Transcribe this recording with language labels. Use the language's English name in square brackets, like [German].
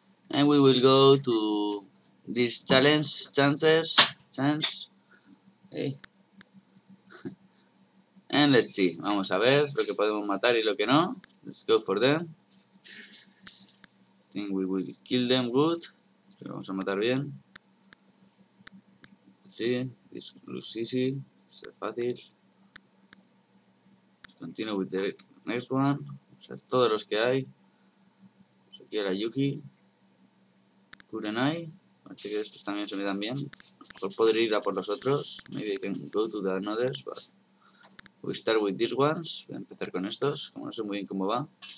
[English] And we will go to this challenge, chance. Hey. And let's see. [Spanish] Vamos a ver lo que podemos matar y lo que no. [English] Let's go for them. I think we will kill them good. [Spanish] Lo vamos a matar bien. [English] Sí, it's easy, it's fácil. Let's continue with the next one. [Spanish] Vamos a ver todos los que hay. Aquí era Yuki. Kurenai. Parece que estos también se me dan bien. Mejor podría ir a por los otros. [English] Maybe I can go to the others, but we start with these ones. [Spanish] Voy a empezar con estos, como no sé muy bien cómo va.